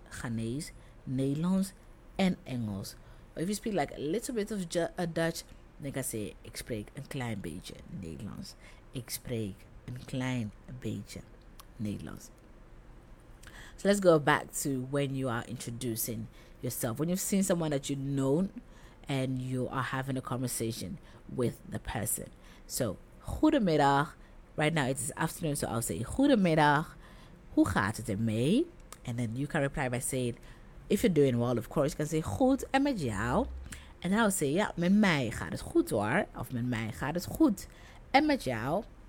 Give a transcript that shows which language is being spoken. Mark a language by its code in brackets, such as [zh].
[nl] Ghanese, Nederlands en Engels. [en] But if you speak like a little bit of Dutch, then you can say [nl] ik spreek een klein beetje Nederlands. Ik spreek een klein beetje Nederlands. [en] So let's go back to when you are introducing yourself. When you've seen someone that you've known and you are having a conversation with the person. So, goedemiddag. Right now it is afternoon, so I'll say goedemiddag. [nl] Hoe gaat het ermee? [en] And then you can reply by saying, if you're doing well, of course, you can say [nl] goed en met jou. [en] And then I'll say, [nl] ja, met mij gaat het goed hoor. Of met mij gaat het goed en met jou.